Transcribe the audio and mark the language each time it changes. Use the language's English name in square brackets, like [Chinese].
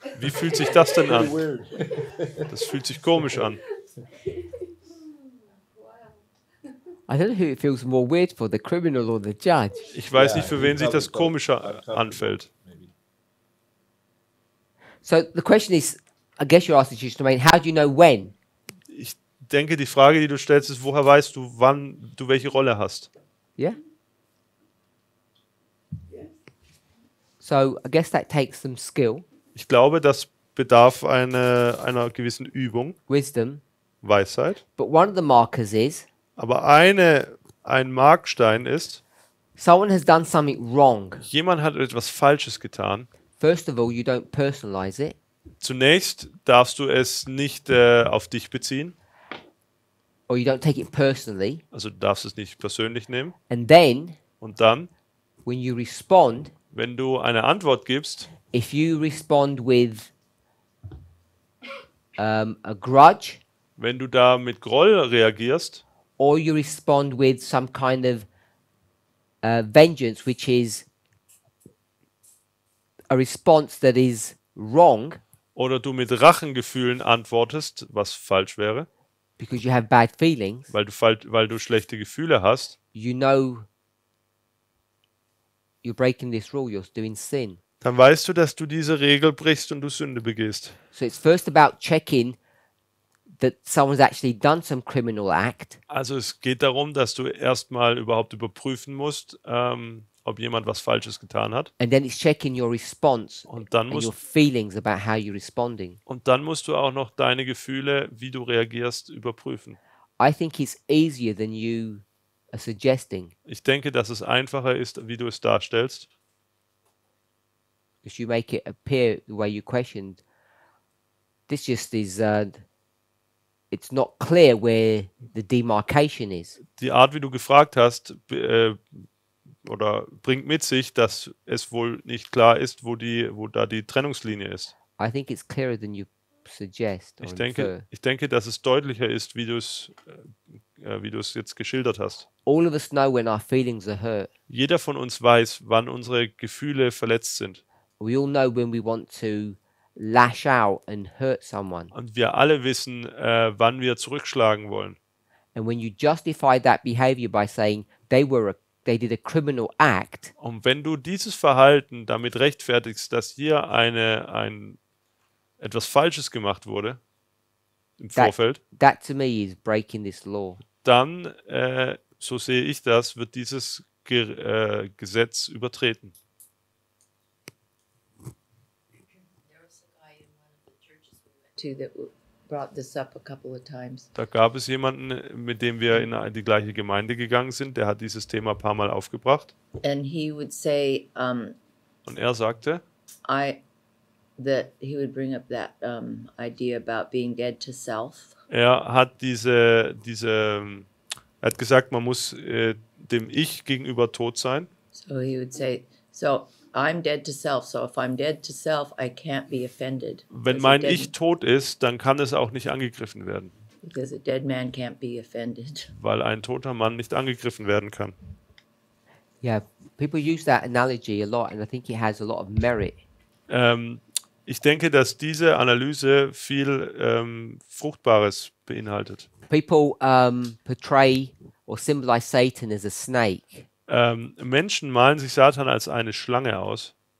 [German] Wie fühlt sich das denn an? Das fühlt sich komisch an. [English] I don't know who it feels more weird for, the criminal or the judge. [German] Ich weiß nicht, für wen sich das komischer anfällt. [English] So the question is, I guess you're asking, Sister Shemaine, how do you know when? [German] Ich denke, die Frage, die du stellst, ist, woher weißt du, wann du welche Rolle hast? [English] Yeah. So I guess that takes some skill. [German] Ich glaube, das bedarf einer gewissen Übung. [English] Wisdom. [German] Weisheit. [English] But one of the markers is. [German] Aber ein Markstein ist. [English] Someone has done something wrong. [German] Jemand hat etwas Falsches getan. [English] First of all, you don't personalize it. [German] Zunächst darfst du es nicht auf dich beziehen. [English] Or you don't take it personally. [German] Also du darfst es nicht persönlich nehmen. [English] And then, [German] und dann, [English] when you respond, [German] wenn du eine Antwort gibst, [English] if you respond with a grudge, [German] wenn du da mit Groll reagierst, [English] or you respond with some kind of vengeance, which is a response that is wrong, [German] oder du mit Rachengefühlen antwortest, was falsch wäre, [English] because you have bad feelings, [German] weil du schlechte Gefühle hast, [English] you know you're breaking this rule, you're doing sin. [German] Dann weißt du, dass du diese Regel brichst und du Sünde begehst. [English] So it's first about checking that someone's actually done some criminal act. [German] Also es geht darum, dass du erstmal überhaupt überprüfen musst, ob jemand was Falsches getan hat. [English] And then it's checking your response and your feelings about how you're responding. [German] Und dann musst du auch noch deine Gefühle, wie du reagierst, überprüfen. [English] I think it's easier than you are suggesting. [German] Ich denke, dass es einfacher ist, wie du es darstellst. [English] Because you make it appear the way you questioned. This just is it's not clear where the demarcation is. [German] Die Art, wie du gefragt hast, oder bringt mit sich, dass es wohl nicht klar ist, wo da die Trennungslinie ist. [English] I think it's clearer than you suggest. [German] Ich denke, dass es deutlicher ist, wie du es jetzt geschildert hast. [English] All of us know when our feelings are hurt. [German] Jeder von uns weiß, wann unsere Gefühle verletzt sind. [English] We all know when we want to lash out and hurt someone. [German] Und wir alle wissen, wann wir zurückschlagen wollen. [English] And when you justify that behavior by saying they did a criminal act. [German] Und wenn du dieses Verhalten damit rechtfertigst, dass hier ein etwas Falsches gemacht wurde im Vorfeld, [English] that to me is breaking this law. [German] Dann, so sehe ich das, wird dieses Gesetz übertreten. [English] That brought this up a couple of times. [German] Da gab es jemanden, mit dem wir in die gleiche Gemeinde gegangen sind, der hat dieses Thema ein paar Mal aufgebracht. [English] And he would say, [German] und er sagte, [English] that he would bring up that idea about being dead to self. [German] Er hat er hat gesagt, man muss dem Ich gegenüber tot sein. [English] So he would say, so I'm dead to self, so if I'm dead to self, I can't be offended. [German] Wenn mein Ich tot ist, dann kann es auch nicht angegriffen werden. [English] Because a dead man can't be offended. [German] Weil ein toter Mann nicht angegriffen werden kann. [English] Yeah, people use that analogy a lot, and I think it has a lot of merit. [German] Ich denke, dass diese Analyse viel Fruchtbares beinhaltet. [English] People portray or symbolize Satan as a snake. [German] Menschen malen sich Satan als eine Schlange aus.